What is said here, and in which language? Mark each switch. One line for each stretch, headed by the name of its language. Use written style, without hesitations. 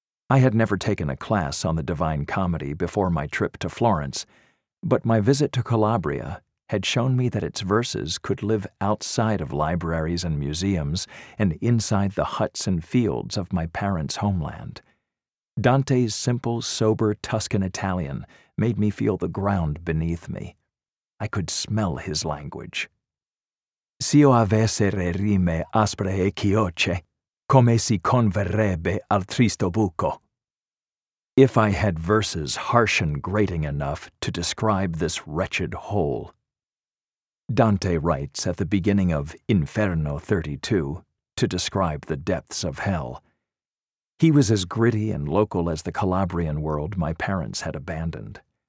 English: I had never taken a class on the Divine Comedy before my trip to Florence, but my visit to Calabria had shown me that its verses could live outside of libraries and museums and inside the huts and fields of my parents' homeland. Dante's simple, sober Tuscan Italian made me feel the ground beneath me. I could smell his language.
Italian: Se io avesse le rime aspre e chioce, come si converrebbe al tristo buco?
English: If I had verses harsh and grating enough to describe this wretched hole. Dante writes at the beginning of Inferno 32 to describe the depths of hell. He was as gritty and local as the Calabrian world my parents had abandoned.